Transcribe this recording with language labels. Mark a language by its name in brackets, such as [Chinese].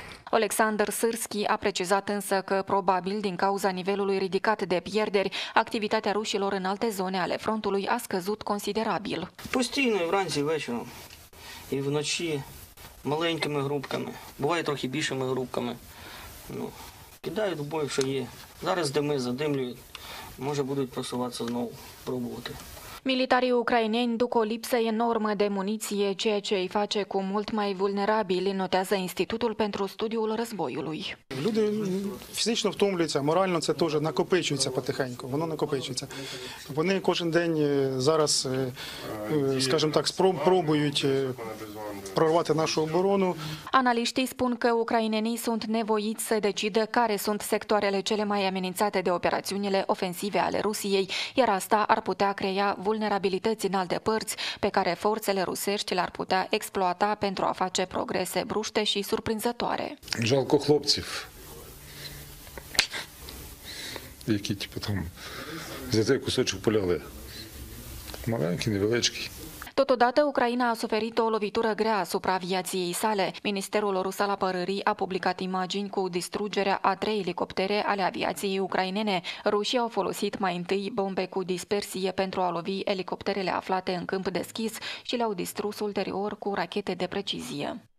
[Romanian] Oleksandr Sârski a precizat însă că, probabil din cauza nivelului ridicat de pierderi, activitatea rușilor în alte zone ale frontului a scăzut considerabil. [Ukrainian] Постійно, вранці, ввечері і вночі маленькими групками, буває трохи більшими групками. Ну, кидають в бой, що є. Зараз дими задимлюють, може будуть просуватися знову, пробувати. [Romanian] Militarii ucraineni duc o lipsă enormă de muniție, ceea ce îi face cu mult mai vulnerabili, notează Institutul pentru Studiul Războiului. [Ukrainian] Люди фізично втомлюються, морально це теж накопичується потихеньку, воно накопичується. Вони кожен день зараз, скажімо так, пробують прорвати нашу оборону. [Romanian] Analiștii spun că ucrainenii sunt nevoiți să decidă care sunt sectoarele cele mai amenințate de operațiunile ofensive ale Rusiei, iar asta ar putea crea vulnerabilități în alte părți pe care forțele rusești le-ar putea exploata pentru a face progrese bruște și surprinzătoare. [Ukrainian] Жалко хлопців, які типу там за цей кусочок поляли. Маленькі, невеличкі. [Romanian] Totodată, Ucraina a suferit o lovitură grea asupra aviației sale. Ministerul rus al apărării a publicat imagini cu distrugerea a 3 elicoptere ale aviației ucrainene. Rușii au folosit mai întâi bombe cu dispersie pentru a lovi elicopterele aflate în câmp deschis și le-au distrus ulterior cu rachete de precizie.